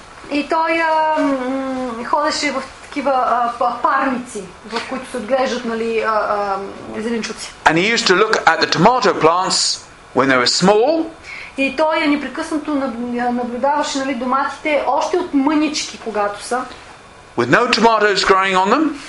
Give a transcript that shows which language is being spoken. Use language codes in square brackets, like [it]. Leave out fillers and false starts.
[bg] И той ходеше в такива парници, в които се отглеждат, нали, зеленчуци. [en] And he used to look at the tomato plants when they were small. [bg] И той е непрекъснато наблюдаваше, нали, доматите още от мънички, когато са. [en] With no tomatoes growing on them.